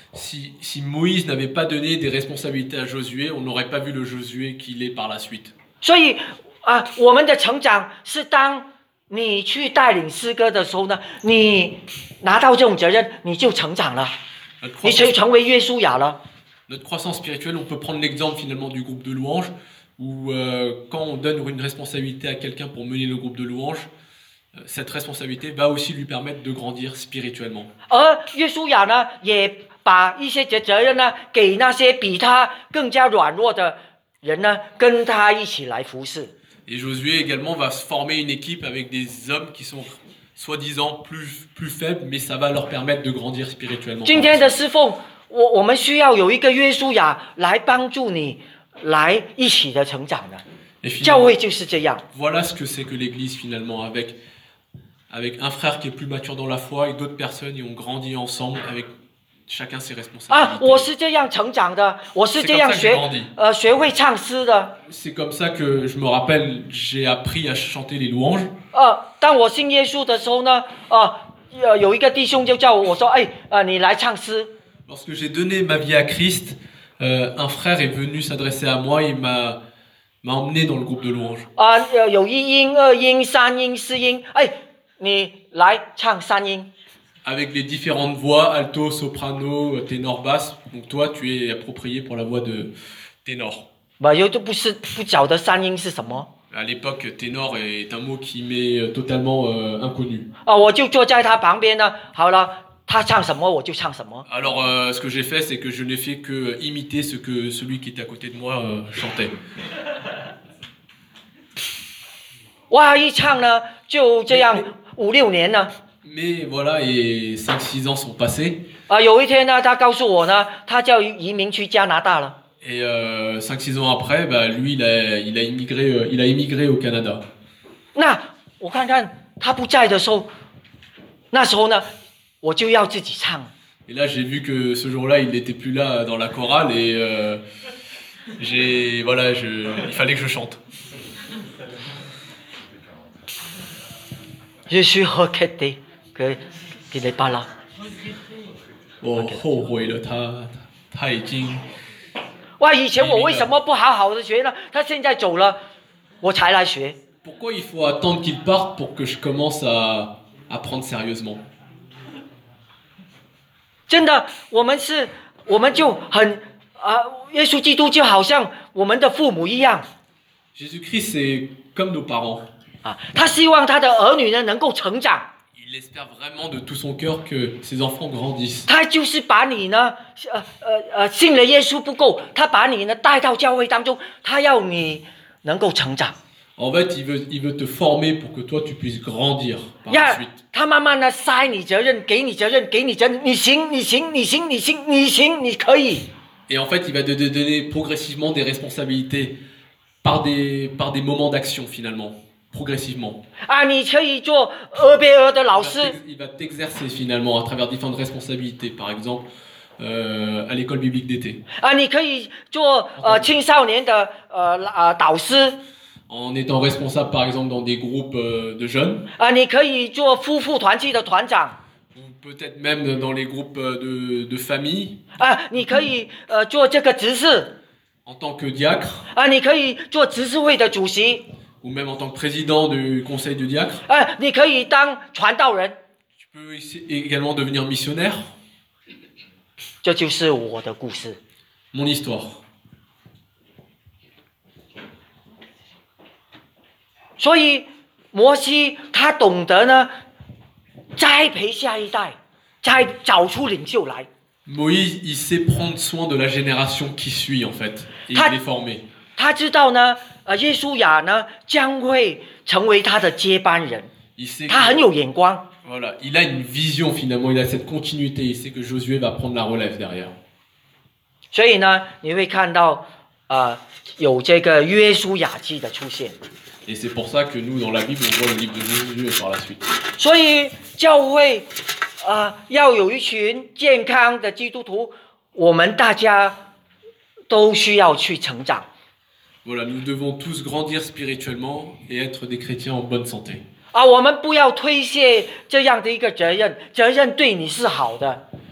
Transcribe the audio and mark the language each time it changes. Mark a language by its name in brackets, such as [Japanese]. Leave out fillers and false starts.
[French] Si Moïse n'avait pas donné des responsabilités à Josué, on n'aurait pas vu le Josué qu'il est par la suite. [Chinese] 所以啊，我们的成长是当你去带领诗歌的时候呢，你拿到这种责任，你就成长了，你就成为约书亚了。 [French] Notre croissance spirituelle, on peut prendre l'exemple finalement du groupe de louanges, où quand on donne une responsabilité à quelqu'un pour mener le groupe de louanges. Cette responsabilité va aussi lui permettre de grandir spirituellement. Et Josué a aussi donné des responsabilités à ceux qui étaient plus faibles. Et Josué également va former une équipe avec des hommes qui sont soi-disant plus faibles, mais ça va leur permettre de grandir spirituellement. Aujourd'hui, le serviteur, nous avons besoin d'avoir un Josué pour aider à nous aider à grandir. L'Église, c'est ça. Voilà ce que c'est que l'Église finalement avec un frère qui est plus mature dans la foi et d'autres personnes qui ont grandi ensemble avec chacun ses responsabilités. [Chinese] 啊，我是这样成长的，我是这样学，学会唱诗的。 [French] C'est comme ça que je me rappelle, j'ai appris à chanter les louanges. [Chinese] 当我信耶稣的时候呢，有一个弟兄就叫我说，哎，你来唱诗。 [French] Lorsque j'ai donné ma vie à Christ, un frère est venu s'adresser à moi et m'a emmené dans le groupe de louanges. [Chinese] 啊，有一音、二音、三音、四音，哎。你来唱三音。 [French] Avec les différentes voix, alto, soprano, ténor, basse, donc toi, tu es approprié pour la voix de ténor. [Chinese] 又都不是不晓得三音是什么。 [French] À l'époque, ténor est un mot qui m'est totalement inconnu. [Chinese] 我就坐在他旁边呢，好了，他唱什么我就唱什么。 [French] Alors, ce que j'ai fait, c'est que je n'ai fait que imiter ce que celui qui était à côté de moi chantait. [Chinese] 哇，一唱呢，就这样。五六年呢 [French] ？Mais voilà, et 5-6 ans sont passés. [Chinese] 有一天呢，他告诉我呢，他叫移民去加拿大了。 [French] Et 5-6 ans après, lui, il a immigré au Canada. [Chinese] 那我看看他不在的时候，那时候呢，我就要自己唱。 [French] Et là, j'ai vu que ce jour-là, il n'était plus là dans la chorale et il fallait que je chante. Je suis regretté que qu'il n'est pas là. [Chinese] 我后悔了他，他已经。哇！以前我为什么不好好的学呢？他现在走了，我才来学。 [French] Pourquoi il faut attendre qu'il parte pour que je commence à apprendre sérieusement？ [Chinese] 真的，我们是，我们就很啊，耶稣基督就好像我们的父母一样。 [French] Jésus-Christ c'est comme nos parents。 [Chinese] 啊，他希望他的儿女呢能够成长。 [French] Il espère vraiment de tout son cœur que ses enfants grandissent。 [Chinese] 他就是把你呢，信了耶稣不够，他把你呢带到教会当中，他要你能够成长。 [French] En fait, il veut te former pour que toi tu puisses grandir par la suite. [Chinese] 他慢慢的塞你责任，给你责任，给你责任，你行，你行，你行，你行，你行，你可以。 [French] Et en fait, il va te donner progressivement des responsabilités par des moments d'action finalement, progressivement. [Chinese] 啊，你可以做俄贝俄的老师。 [French] Il va t'exercer finalement à travers différentes responsabilités, par exemple, à l'école biblique d'été. [Chinese] 啊，你可以做青少年的导师。 [French] En étant responsable, par exemple, dans des groupes de jeunes. [Chinese] 啊，你可以做夫妇团契的团长。 [French] Ou peut-être même dans les groupes de famille. [Chinese] 啊，你可以做这个执事。 [French] En tant que diacre. [Chinese] 啊，你可以做执事会的主席。 [French] Ou même en tant que président du conseil de diacre. [Chinese] 啊，你可以当传道人。 [French] Tu peux également devenir missionnaire. [Chinese] 这就是我的故事。 [French] Mon histoire. [Chinese] 所以摩西他懂得呢，栽培下一代，再找出领袖来。 [French] Moïse, il sait prendre soin de la génération qui suit en fait, et il est formé. [Chinese] 他知道呢，耶稣亚呢将会成为他的接班人。他很有眼光。 [French] Voilà, il a une vision finalement, il a cette continuité, il sait que Josué va prendre la relève derrière. [Chinese] 所以呢，你会看到，有这个约书亚记的出现。 [French] Et c'est pour ça que nous, dans la Bible, on voit le livre de Josué par la suite. [Chinese] 所以教会啊，要有一群健康的基督徒，我们大家都需要去成长。 [French] Voilà, nous devons tous grandir spirituellement et être des chrétiens en bonne santé. [Chinese] 啊，我们不要推卸这样的一个责任，责任对你是好的。